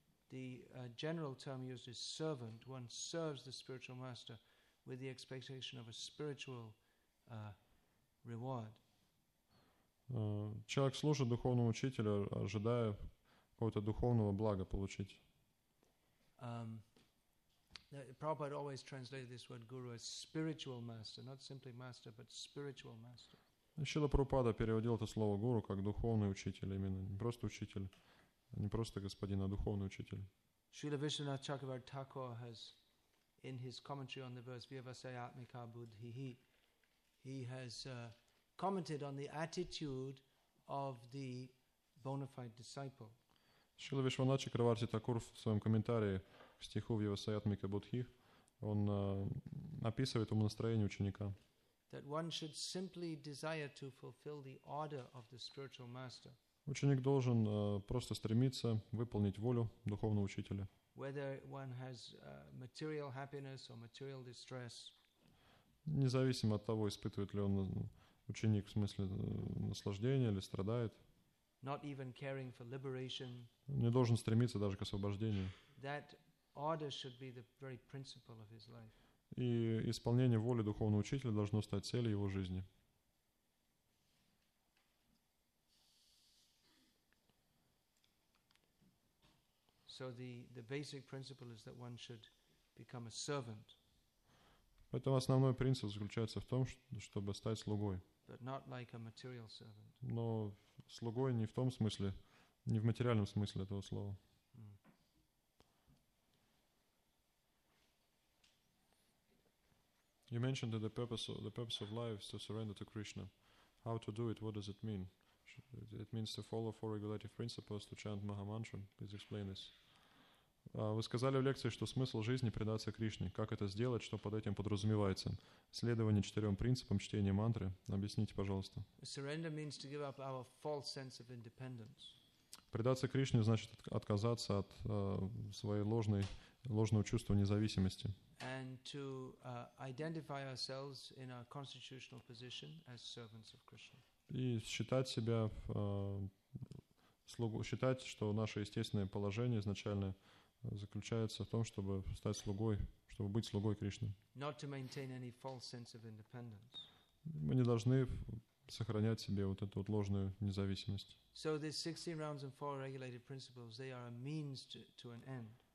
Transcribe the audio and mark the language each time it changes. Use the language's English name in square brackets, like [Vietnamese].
[English] The general term used is servant. One serves the spiritual master with the expectation of a spiritual reward. [Russian] Человек служит духовному учителю, ожидая какого-то духовного блага получить. [English] Prabhupada always translated this word guru as spiritual master, not simply master, but spiritual master. [Russian] Шрила Прабхупада переводил это слово гуру как духовный учитель, именно не просто учитель, не просто господин, а духовный учитель. [English] Шрила Вишванатха Чакраварти Тхакур has, in his commentary on the verse "Vyavasaya Atmika Buddhi," he has commented on the attitude of the bona fide disciple. [Russian] Шрила Вишванатха Чакраварти Тхакур в своем комментарии к стиху "Vyavasaya Atmika Buddhi" он описывает ум настроение ученика. [English] That one should simply desire to fulfill the order of the spiritual master. [Russian] Ученик должен просто стремиться выполнить волю духовного учителя. [English] Whether one has material happiness or material distress. [Russian] Независимо от того, испытывает ли он ученик в смысле наслаждения или страдает. [English] Not even caring for liberation. [Russian] Не должен стремиться даже к освобождению. [English] That order should be the very principle of his life. [Russian] И исполнение воли духовного учителя должно стать целью его жизни. [English] So the basic principle is that one should become a servant. [Russian] Поэтому основной принцип заключается в том, чтобы стать слугой. [English] But not like a material servant. [Russian] Но слугой не в том смысле, не в материальном смысле этого слова. [English] You mentioned that the purpose of life is to surrender to Krishna. How to do it? What does it mean? It means to follow four regulative principles, to chant Maha Mantra. Please explain this. [Russian] Вы сказали в лекции, что смысл жизни — предаться Кришне. Как это сделать? Что под этим подразумевается? Следование четырем принципам чтения мантры. Объясните, пожалуйста. [English] Surrender means to give up our false sense of independence. [Russian] Предаться Кришне значит отказаться от своей ложного чувства независимости. [English] And to identify ourselves in our constitutional position as servants of Krishna. [Russian] И считать себя слугу, считать, что наше естественное положение изначально заключается в том, чтобы стать слугой, чтобы быть слугой Кришны. [English] Not to maintain any false sense of independence. [Russian] Мы не должны сохранять себе вот эту вот ложную независимость. [English] So these 16 rounds and four regulated principles, they are a means to an end.